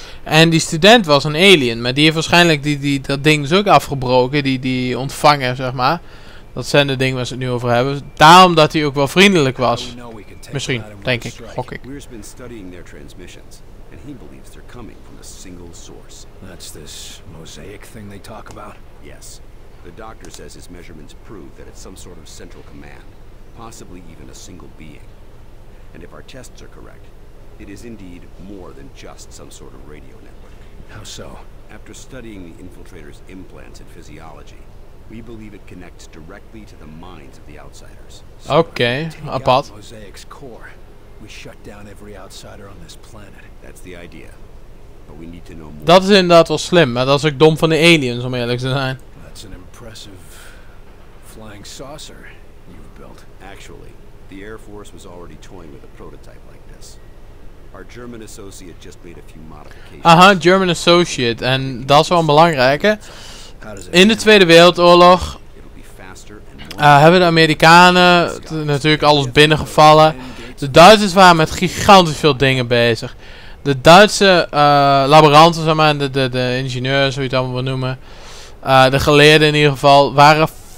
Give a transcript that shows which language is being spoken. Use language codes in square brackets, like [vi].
[nl] En die student was een alien, maar die heeft waarschijnlijk dat ding dus ook afgebroken, die ontvanger, zeg maar. Dat zijn de dingen waar ze het nu over hebben. Daarom dat hij ook wel vriendelijk was. Misschien, denk ik, gok ik. [en] Weir's been studying their transmissions, and he believes they're coming from a single source. That's this Mosaic thing they talk about? Yes. The doctor says his measurements prove that it's some sort of central command, possibly even a single being. And if our tests are correct, it is indeed more than just some sort of radio network. How so? After studying the infiltrator's implants and physiology, we believe it connects directly to the minds of the outsiders. So okay, apart. Mosaic's core. We shut down every outsider on this planet. That's the idea. But we need to know more. [nl] Dat is inderdaad wel slim, maar dat is ook dom van de aliens om eerlijk te zijn. [en] It's an impressive flying saucer you've built. Actually, the Air Force was already toying with a prototype like this. Our German associate just made a few modifications. [nl] Aha, [en] German associate, [nl] en dat is wel een belangrijke. In de Tweede Wereldoorlog hebben de Amerikanen natuurlijk alles binnengevallen. De Duitsers waren met gigantisch veel dingen bezig. De Duitse laboranten, zeg maar, de ingenieurs, hoe je het allemaal wil noemen. De geleerden in ieder geval waren